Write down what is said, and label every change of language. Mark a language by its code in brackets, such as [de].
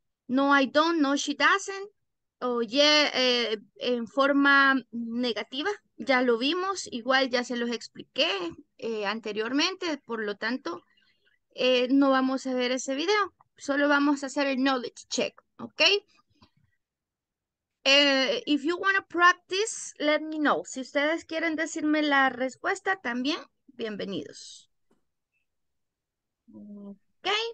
[en] No, I don't, no, she doesn't. [es] En forma negativa. Ya lo vimos, igual ya se los expliqué anteriormente, por lo tanto, no vamos a ver ese video, solo vamos a hacer el knowledge check, ¿ok? [en] If you want to practice, let me know. [es] Si ustedes quieren decirme la respuesta, también, bienvenidos. ¿Ok?